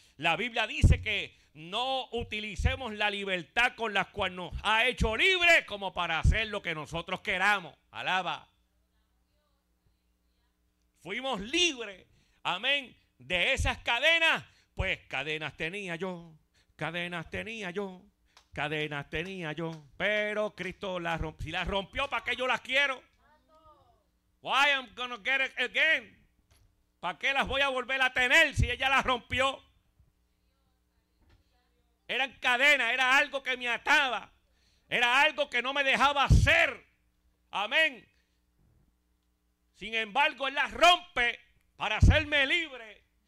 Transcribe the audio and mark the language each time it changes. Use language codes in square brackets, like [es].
[es] La Biblia dice que no utilicemos la libertad con la cual nos ha hecho libre como para hacer lo que nosotros queramos. Alaba. Fuimos libres. Amén. De esas cadenas, pues cadenas tenía yo, cadenas tenía yo, cadenas tenía yo. Pero Cristo las rompió. Si las rompió, ¿para qué yo las quiero? [en] Why I'm gonna get it again? [es] ¿Para qué las voy a volver a tener si ella las rompió? Eran cadenas, era algo que me ataba. Era algo que no me dejaba hacer. Amén. Sin embargo, Él las rompe para hacerme libre.